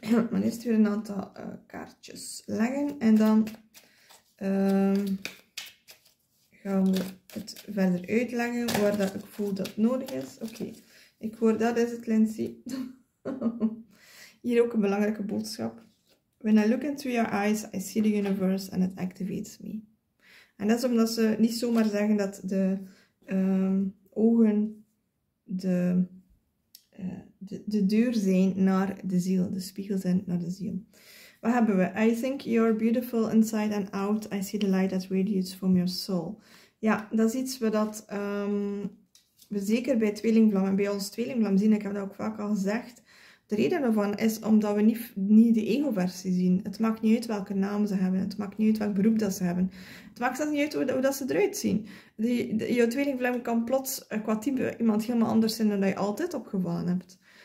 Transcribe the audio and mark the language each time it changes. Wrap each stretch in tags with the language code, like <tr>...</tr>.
<nl>Maar eerst weer een aantal kaartjes leggen en dan gaan we het verder uitleggen waar dat ik voel dat nodig is. Oké, ik hoor dat is het, Lindsay. Hier ook een belangrijke boodschap.</nl> <en>When I look into your eyes, I see the universe and it activates me.</en> <nl>En dat is omdat ze niet zomaar zeggen dat de ogen de deur zijn naar de ziel. De spiegel zijn naar de ziel. Wat hebben we?</nl> <en>I think you're beautiful inside and out. I see the light that radiates from your soul.</en> <nl>Ja, dat is iets wat we zeker bij tweelingvlam en bij ons tweelingvlam zien. Ik heb dat ook vaak al gezegd. De reden daarvan is omdat we niet de ego-versie zien. Het maakt niet uit welke naam ze hebben. Het maakt niet uit welk beroep dat ze hebben. Het maakt zelfs niet uit hoe dat ze eruit zien. Jouw tweelingvlam kan plots qua type iemand helemaal anders zijn dan je altijd opgevallen hebt.</nl>